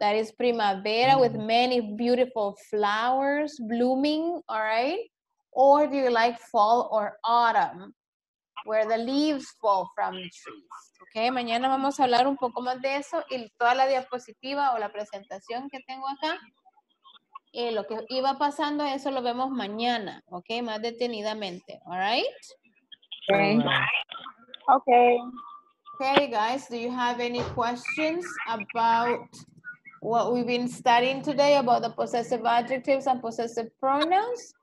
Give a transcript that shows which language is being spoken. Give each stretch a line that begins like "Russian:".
English: That is primavera with many beautiful flowers blooming, all right? Or do you like fall or autumn, where the leaves fall from the trees?
Spanish: Okay, mañana vamos a hablar un poco más de eso y toda la diapositiva o la presentación que tengo acá. Lo que iba pasando, eso lo vemos mañana, okay, más detenidamente.
English: All right? Okay. Okay. Okay, guys, do you have any questions about what we've been studying today about the possessive adjectives and possessive pronouns?